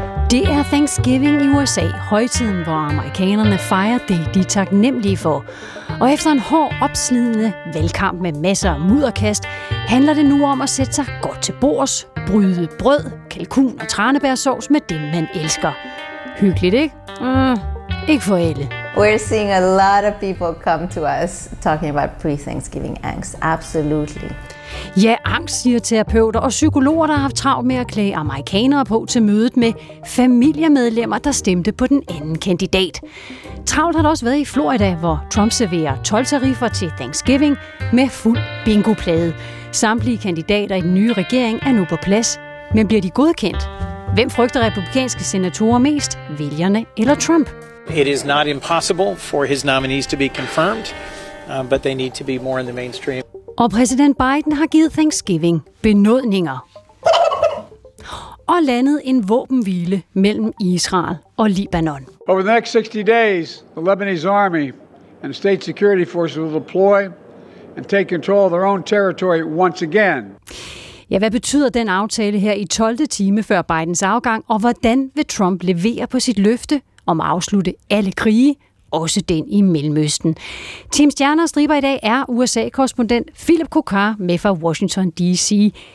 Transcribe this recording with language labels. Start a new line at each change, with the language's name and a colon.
Danish: Det er Thanksgiving i USA, højtiden, hvor amerikanerne fejrer det, de er taknemmelige for. Og efter en hård, opslidende valgkamp med masser af mudderkast, handler det nu om at sætte sig godt til bords, bryde brød, kalkun og tranebærsovs med dem, man elsker. Hyggeligt, ikke? Ikke for alle.
English: We're seeing a lot of people come to us talking about pre-Thanksgiving angst. Absolutely.
Danish: Ja, angst, siger terapeuter og psykologer, der har haft travlt med at klæde amerikanere på til mødet med familiemedlemmer, der stemte på den anden kandidat. Travlt har det også været i Florida, hvor Trump serverer 12 tariffer til Thanksgiving med fuld bingoplade. Samtlige kandidater i den nye regering er nu på plads, men bliver de godkendt? Hvem frygter republikanske senatorer mest, vælgerne eller Trump?
English: It is not impossible for his nominees to be confirmed, but they need to be more in the mainstream.
Danish: Og præsident Biden har givet Thanksgiving benådninger. Og landet en våbenhvile mellem Israel og Libanon.
English: Over the next 60 days, the Lebanese army and state security forces will deploy and take control of their own territory once again.
Danish: Ja, hvad betyder den aftale her i 12. time før Bidens afgang, og hvordan vil Trump levere på sit løfte om at afslutte alle krige, også den i Mellemøsten? Team Stjerner og Striber i dag er USA-korrespondent Philip Kokar med fra Washington D.C.